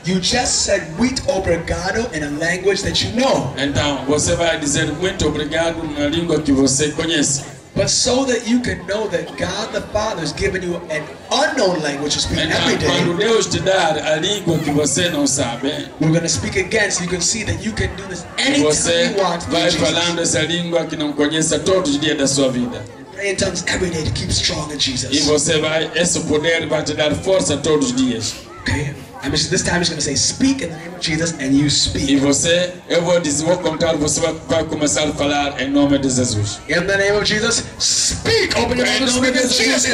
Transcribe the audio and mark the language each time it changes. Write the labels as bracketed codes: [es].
[en] You just said [pt] muito obrigado [en] in a language that you know. [pt] Então, você vai dizer muito obrigado na língua que você conhece. [en] But so that you can know that God the Father has given you an unknown language to speak every day. [pt] Quando Deus te dar a língua que você não sabe. [en] We're going to speak again so you can see that you can do this anytime [pt] você [en] you want. [pt] Vai falando essa língua que não conhece todos os dias da sua vida. [en] Pray in tongues every day to keep strong in Jesus. [pt] E você vai, esse poder vai te dar força todos os dias. [en] Okay. I'm just, this time he's going to say, speak in the name of Jesus and you speak. [pt] E você, eu vou dizer, vou contar, você vai começar a falar em nome de Jesus. [en] In the name of Jesus, speak. Open your mouth and speak in Jesus.